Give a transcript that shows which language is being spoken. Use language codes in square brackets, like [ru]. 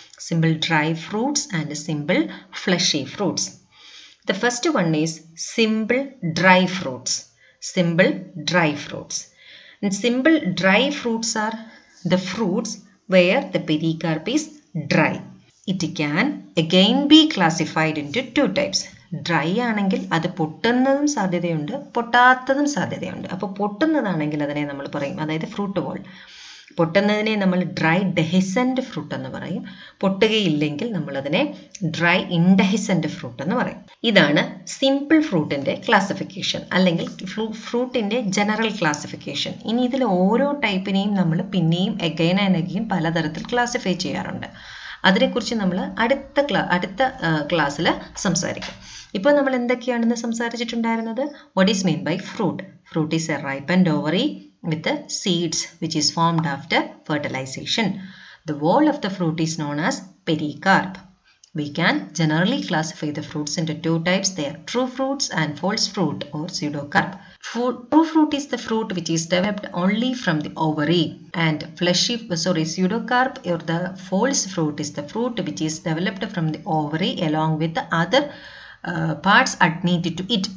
[en] Simple dry fruits and simple fleshy fruits. The first one is simple dry fruits. Simple dry fruits. And simple dry fruits are the fruits where the pericarp is dry. It can again be classified into two types. [ml] Dry ആണെങ്കിൽ അത് പൊട്ടുന്നതും സാധ്യതയുണ്ട്, പൊട്ടാത്തതും സാധ്യതയുണ്ട്. അപ്പോൾ പൊട്ടുന്നതാണെങ്കിൽ അതിനെ നമ്മൾ പറയും, അതായത് fruit wall. പൊട്ടുന്നതിനെ നമ്മൾ ഡ്രൈ ഡെഹിസൻ്റ് ഫ്രൂട്ട് എന്ന് പറയും. പൊട്ടുകയില്ലെങ്കിൽ നമ്മളതിനെ ഡ്രൈ ഇൻഡെഹിസൻ്റ് ഫ്രൂട്ട് എന്ന് പറയും. ഇതാണ് സിമ്പിൾ ഫ്രൂട്ടിൻ്റെ ക്ലാസിഫിക്കേഷൻ അല്ലെങ്കിൽ ഫ്രൂട്ടിൻ്റെ ജനറൽ ക്ലാസിഫിക്കേഷൻ. ഇനി ഇതിൽ ഓരോ ടൈപ്പിനെയും നമ്മൾ പിന്നെയും [en] again and again [ml] പലതരത്തിൽ ക്ലാസിഫൈ ചെയ്യാറുണ്ട്. അതിനെക്കുറിച്ച് നമ്മൾ അടുത്ത ക്ലാസ്സിൽ സംസാരിക്കും. ഇപ്പോൾ നമ്മൾ എന്തൊക്കെയാണെന്ന് സംസാരിച്ചിട്ടുണ്ടായിരുന്നത്? [en] What is mean by fruit? Fruit is a ripe and ovary with the seeds which is formed after fertilization. The wall of the fruit is known as pericarp. We can generally classify the fruits into two types. They are true fruits and false fruit or pseudocarp. True fruit is the fruit which is developed only from the ovary. And pseudocarp or the false fruit is the fruit which is developed from the ovary along with the other parts adnated to it.